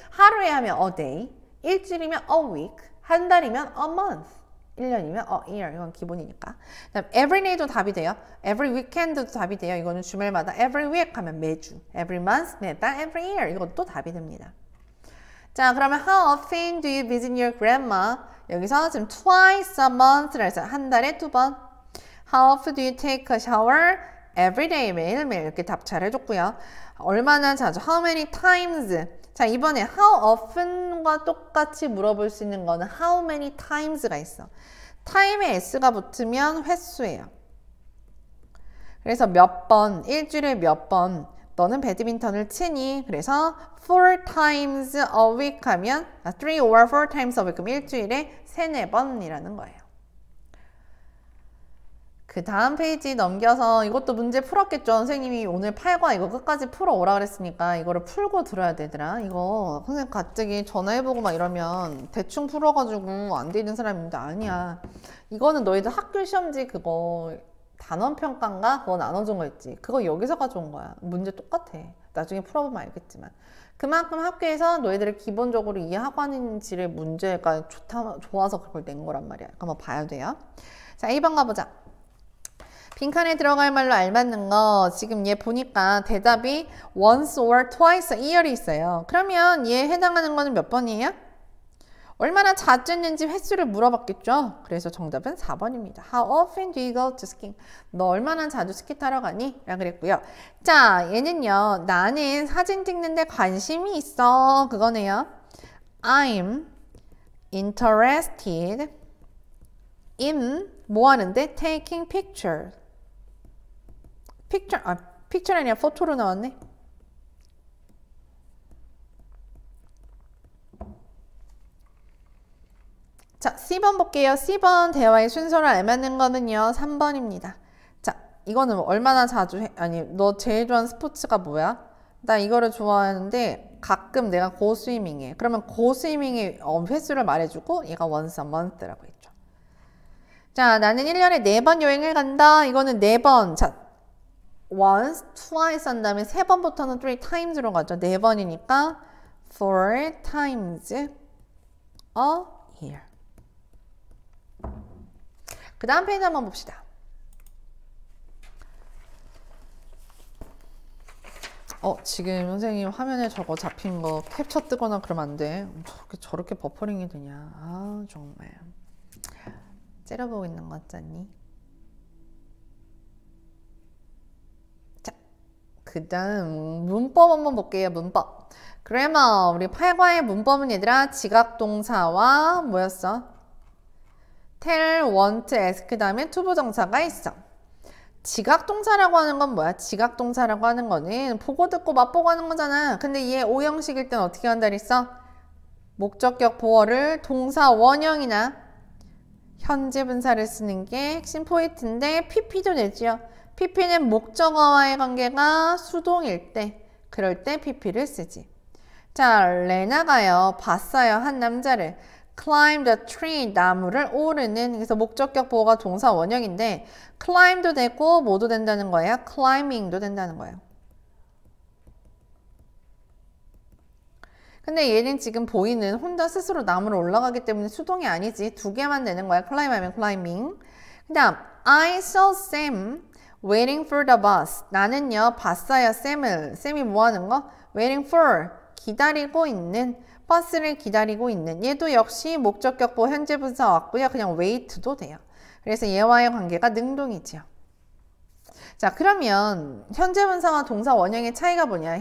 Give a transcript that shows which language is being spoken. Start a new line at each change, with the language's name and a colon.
Korean: 하루에 하면
English: a day.
Korean: 일주일이면
English: a week,
Korean: 한 달이면
English: a month,
Korean: 1년이면
English: a year,
Korean: 이건 기본이니까. 그다음
English: every day
Korean: 도 답이 돼요.
English: every weekend
Korean: 도 답이 돼요. 이거는 주말마다
English: every week
Korean: 하면 매주,
English: every month,
Korean: 매달,
English: every year,
Korean: 이것도 답이 됩니다. 자, 그러면
English: how often do you visit your grandma?
Korean: 여기서 지금
English: twice a month
Korean: 라 해서 한 달에 두 번.
English: how often do you take a shower? every day,
Korean: 매일매일 이렇게 답차를 해줬고요. 얼마나 자주,
English: how many times?
Korean: 자, 이번에
English: how often
Korean: 과 똑같이 물어볼 수 있는 거는
English: how many times
Korean: 가 있어. time에 s가 붙으면 횟수예요. 그래서 몇 번, 일주일에 몇 번, 너는 배드민턴을 치니? 그래서
English: four times a week
Korean: 하면
English: three or four times a week,
Korean: 그럼 일주일에 세네 번이라는 거예요. 그 다음 페이지 넘겨서 이것도 문제 풀었겠죠. 선생님이 오늘 8과 이거 끝까지 풀어오라 그랬으니까 이거를 풀고 들어야 되더라. 이거 선생님 갑자기 전화해보고 막 이러면 대충 풀어가지고 안 되는 사람인데 아니야. 이거는 너희들 학교 시험지 그거 단원평가인가? 그거 나눠준 거 있지. 그거 여기서 가져온 거야. 문제 똑같아. 나중에 풀어보면 알겠지만. 그만큼 학교에서 너희들을 기본적으로 이해하고 하는지를 문제가 좋아서 그걸 낸 거란 말이야. 한번 봐야 돼요. 자, 1번 가보자. 빈칸에 들어갈 말로 알맞는 거 지금 얘 보니까 대답이
English: once or twice a year
Korean: 이 있어요. 그러면 얘 해당하는 거는 몇 번이에요? 얼마나 자주 했는지 횟수를 물어봤겠죠? 그래서 정답은 4번입니다.
English: How often do you go to skiing?
Korean: 너 얼마나 자주 스키 타러 가니? 라고 그랬고요. 자, 얘는요. 나는 사진 찍는데 관심이 있어. 그거네요.
English: I'm interested in
Korean: 뭐하는데?
English: taking picture.
Korean: picture, 아, picture 아니야, photo로 나왔네. 자, C번 볼게요. C번 대화의 순서를 알맞는 거는요, 3번입니다. 자, 이거는 얼마나 자주 해? 아니, 너 제일 좋아하는 스포츠가 뭐야? 나 이거를 좋아하는데 가끔 내가 고스위밍해. 그러면 고스위밍의 횟수를 말해주고 얘가
English: once a month
Korean: 라고 했죠. 자, 나는 1년에 4번 여행을 간다. 이거는 4번. 자, once, twice 한 다음에 3번부터는 three times로 가죠. 4번이니까
English: four times a year.
Korean: 그 다음 페이지 한번 봅시다. 지금 선생님 화면에 저거 잡힌 거 캡처 뜨거나 그러면 안 돼. 저렇게 버퍼링이 되냐. 아, 정말. 째려보고 있는 것 같잖니? 자, 그 다음 문법 한번 볼게요. 문법. grammar, 우리 8과의 문법은 얘들아 지각동사와 뭐였어?
English: tell, want, ask
Korean: 다음에
English: to 부정사가 있어.
Korean: 지각동사라고 하는 건 뭐야? 지각동사라고 하는 거는 보고 듣고 맛보고 하는 거잖아. 근데 얘 O형식일 땐 어떻게 한다 그랬어? 목적격 보어를 동사 원형이나 현재 분사를 쓰는 게 핵심 포인트인데 PP도 되지요. PP는 목적어와의 관계가 수동일 때 그럴 때 PP를 쓰지. 자, 레나가요. 봤어요. 한 남자를.
English: climb the tree.
Korean: 나무를 오르는. 그래서 목적격 보호가 동사 원형인데 climb도 되고 뭐도 된다는 거예요? climbing도 된다는 거예요. 근데 얘는 지금 보이는 혼자 스스로 나무를 올라가기 때문에 수동이 아니지. 두 개만 되는 거야. climb 하면 climbing. 그 다음
English: I saw Sam waiting for the bus.
Korean: 나는요, 봤어요, Sam을. Sam이 뭐하는 거?
English: Waiting for,
Korean: 기다리고 있는, 버스를 기다리고 있는. 얘도 역시 목적격보 현재분사 왔고요. 그냥 wait도 돼요. 그래서 얘와의 관계가 능동이지요. 자, 그러면 현재분사와 동사 원형의 차이가 뭐냐?